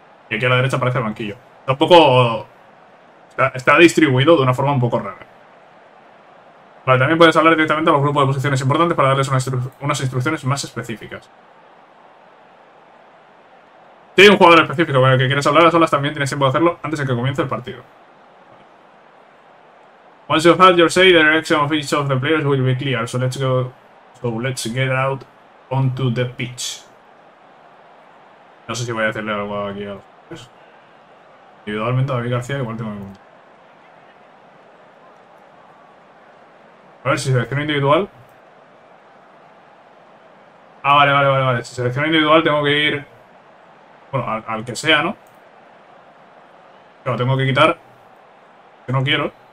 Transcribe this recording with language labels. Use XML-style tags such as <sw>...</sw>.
<es>Y aquí a la derecha aparece el banquillo. Tampoco. Está distribuido de una forma un poco rara. Vale, también puedes hablar directamente a los grupos de posiciones importantes para darles unas instrucciones más específicas. Si hay un jugador específico con el que quieres hablar a solas, también tienes tiempo de hacerlo antes de que comience el partido.</es> <en>Once you've had your say, the direction of each of the players will be clear, so let's go. So let's get out onto the pitch.</en> <es>No sé si voy a decirle algo aquí a los jugadores. Individualmente a David García, igual tengo que preguntar. A ver, si selecciono individual. Ah, vale. Si selecciono individual, tengo que ir. Bueno, al que sea, ¿no? Claro, tengo que quitar. Que no quiero.</es>